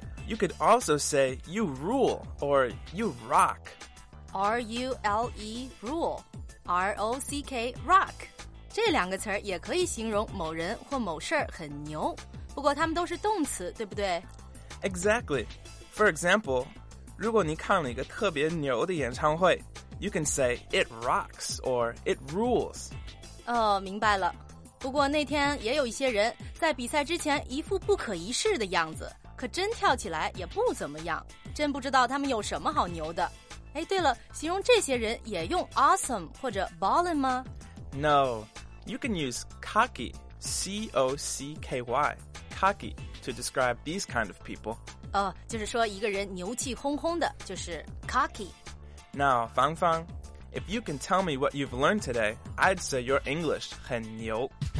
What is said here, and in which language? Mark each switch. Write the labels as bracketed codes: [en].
[en] You could also say you rule or you rock. R-U-L-E, rule. R-O-C-K, rock. [zh] 这两个词儿也可以形容某人或某事很牛。不过它们都是动词，对不对？ [en] Exactly. For example, [zh] 如果你看了一个特别牛的演唱会， [en] you can say it rocks or it rules. [zh] 哦，明白了。不过那天也有一些人在比赛之前一副不可一世的样子，可真跳起来也不怎么样，真不知道他们有什么好牛的。哎，对了，形容这些人也用 awesome 或者 ballin 吗？ [en] No, you can use cocky, C-O-C-K-Y, cocky, to describe these kind of people. [zh] 哦，就是说一个人牛气哄哄的，就是 cocky. [en] Now, 芳芳，If you can tell me what you've learned today, I'd say your English [zh] 很牛。